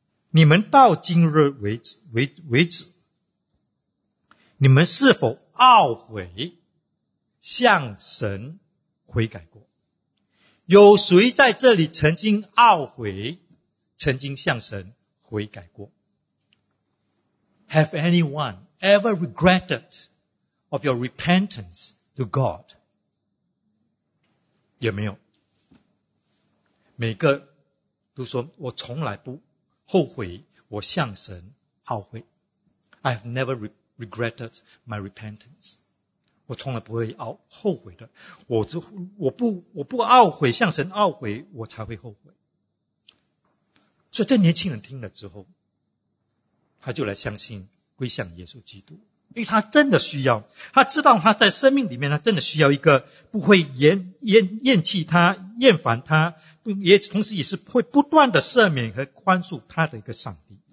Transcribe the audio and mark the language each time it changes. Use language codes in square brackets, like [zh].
[zh] 你们到今日为止，你们是否懊悔向神悔改过？有谁在这里曾经懊悔，曾经向神悔改过？ [en] Have anyone ever regretted of your repentance to God? [zh] 有没有？每个都说我从来不后悔，我向神懊悔。 [en] I have never regretted my repentance. [zh] 我从来不会后悔的。我不懊悔，向神懊悔，我才会后悔。所以这年轻人听了之后，他就来相信归向耶稣基督。因为他真的需要，他知道他在生命里面，他真的需要一个不会厌弃他，厌烦他，也同时也是会不断的赦免和宽恕他的一个上帝。